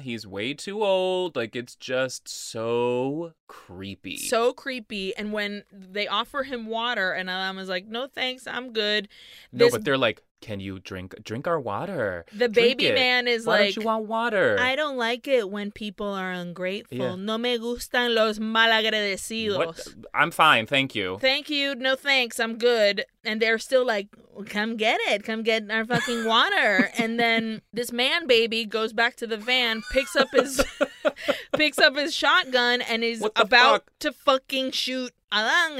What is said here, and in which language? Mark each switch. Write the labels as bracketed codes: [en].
[en] He's way too old. Like, it's just so creepy. So creepy. And when they offer him water, and Alan is like, no thanks, I'm good. No, but they're like, can you drink our water? The baby man is like, why don't you want water? I don't like it when people are ungrateful. [es] Yeah. No me gustan los malagradecidos. [en] What? I'm fine, thank you. Thank you, no thanks, I'm good. And they're still like, come get it. Come get our fucking water. And then this man baby goes back to the van, picks up his shotgun, and is about to fucking shoot Alan.